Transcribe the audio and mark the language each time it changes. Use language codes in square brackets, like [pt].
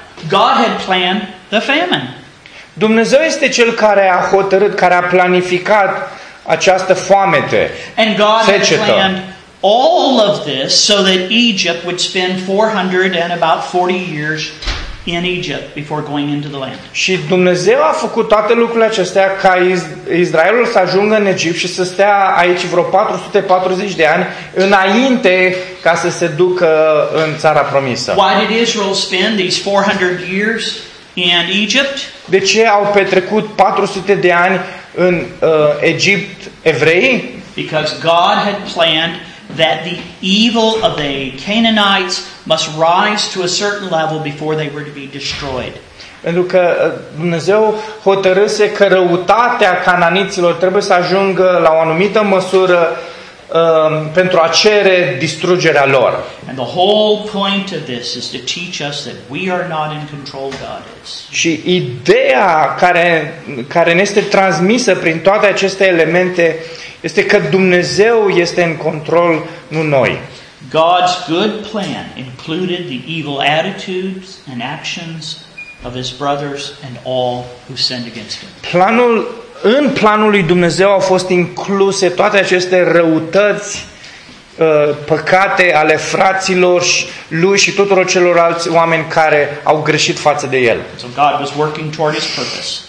[en] God had planned the famine. [ro] Dumnezeu este cel care a hotărât, care a planificat această foamete, [en] and God [ro] secetă. [en] Had planned all of this so that Egypt would spend 400 and about 40 years in Egypt before going into the land. [ro] Și Dumnezeu a făcut toate lucrurile acestea ca Israelul să ajungă în Egipt și să stea aici vreo 440 de ani înainte ca să se ducă în țara promisă. [en] Why did Israel spend these 400 years in Egypt? [ro] De ce au petrecut 400 de ani în Egipt evrei? [en] Because God had planned that the evil of the Canaanites must rise to a certain level before they were to be destroyed. [ro] Pentru că Dumnezeu hotărâse că răutatea cananiților trebuie să ajungă la o anumită măsură pentru a cere distrugerea lor. [en] And the whole point of this is to teach us that we are not in control, God is. [ro] Și ideea care ne este transmisă prin toate aceste elemente este că Dumnezeu este în control, nu noi. [en] God's good plan included the evil attitudes and actions of his brothers and all who sinned against him. [ro] În planul lui Dumnezeu au fost incluse toate aceste răutăți, păcate ale fraților lui și tuturor celorlalți oameni care au greșit față de el. [en] So God was working toward his purpose.